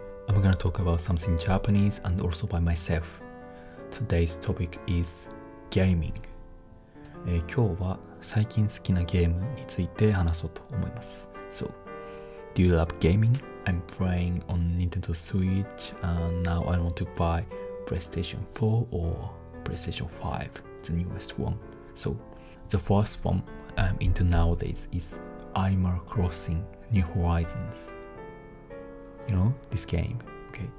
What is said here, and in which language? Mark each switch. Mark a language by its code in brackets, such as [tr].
[en] I'm gonna talk about something Japanese and also by myself. Today's topic is gaming. [ja] 今日は最近好きなゲームについて話そうと思います。 [en] So, do you love gaming? I'm playing on Nintendo Switch and now I want to buy PlayStation 4 or PlayStation 5, the newest one. So, the first one I'm into nowadays is Animal Crossing. New Horizons. You know this game? Okay.